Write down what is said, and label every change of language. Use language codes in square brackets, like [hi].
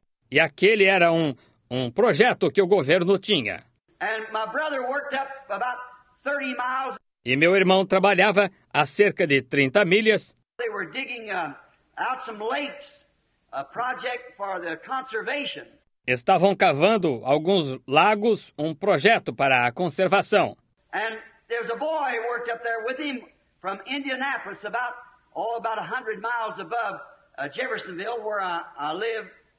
[pt] E aquele era um projeto que o governo tinha. [en] And my brother worked up about 30 miles. [pt] E meu irmão trabalhava a cerca de 30 milhas. [en] They were digging out some lakes, a project for the conservation. [pt] Estavam cavando alguns lagos, um projeto para a conservação. [en] And there's a boy worked up there with him from Indianapolis, about 100 miles above Jeffersonville, where I live.